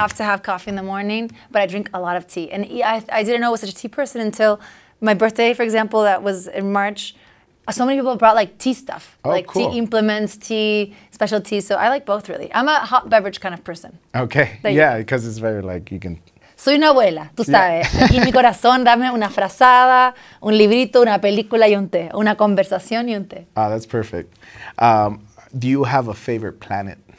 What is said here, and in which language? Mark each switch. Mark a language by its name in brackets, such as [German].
[English] I have to have coffee in the morning, but I drink a lot of tea. And I didn't know I was such a tea person until my birthday, for example, that was in March. So many people brought like tea stuff, Tea implements, tea, special tea. So I like both really. I'm a hot beverage kind of person. Okay. Like, yeah, because it's very like you can. [Spanish] Soy una abuela, tú sabes. Aquí en mi corazón, dame una frazada, un librito, una película y un té. Una conversación y un té. [English] Oh, that's perfect. Do you have a favorite planet?